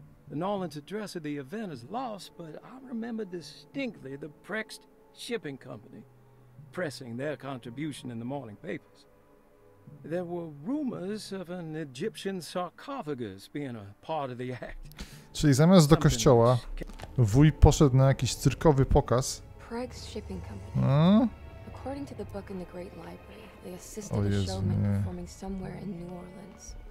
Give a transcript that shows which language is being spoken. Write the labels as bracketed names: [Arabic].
[English] The Nolan's address of the event is lost, but I remember distinctly the Prext Shipping Company pressing their contribution in the morning papers. There were rumors of an Egyptian sarcophagus being a part of the act. [Polish] Czyli zamiast do kościoła, wuj poszedł na jakiś cyrkowy pokaz. [English] Prext Shipping Company. According to the book in the Great Library, they assisted a showman performing somewhere in New Orleans.